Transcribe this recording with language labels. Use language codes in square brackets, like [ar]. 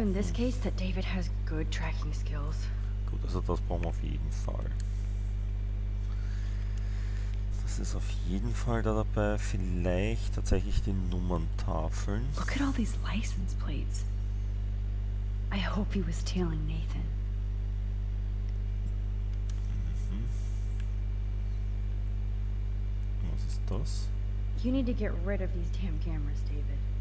[en] In this case that David has good tracking skills. [de] Gut, also das brauchen wir auf jeden Fall. Das ist auf jeden Fall da dabei. Vielleicht tatsächlich die Nummerntafeln. [en] Look at all these license plates. I hope he was tailing Nathan. [de] Mhm. Was ist das? [en] You need to get rid of these damn cameras, David.